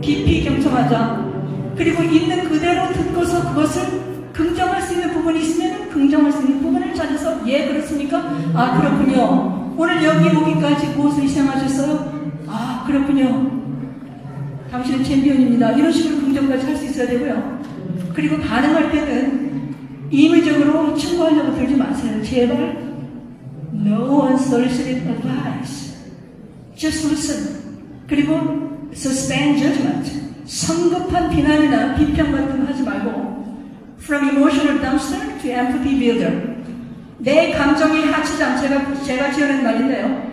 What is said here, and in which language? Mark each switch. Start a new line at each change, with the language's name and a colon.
Korean: 깊이 경청하자. 그리고 있는 그대로 듣고서 그것을 긍정할 수 있는 부분이 있으면 긍정할 수 있는 부분을 찾아서 예 그렇습니까? 아 그렇군요. 오늘 여기 오기까지 무엇을 희생하셨어요? 아 그렇군요. 당신은 챔피언입니다. 이런 식으로 긍정까지 할 수 있어야 되고요. 그리고 반응할 때는 임의적으로 충고하려고 들지 마세요. 제발
English: No unsolicited advice. Just listen.
Korean: 그리고
English: suspend judgment.
Korean: 성급한 비난이나 비평 같은 거 하지 말고
English: From emotional dumpster to empathy builder.
Korean: 내 감정의 하치장, 제가 지어낸 말인데요.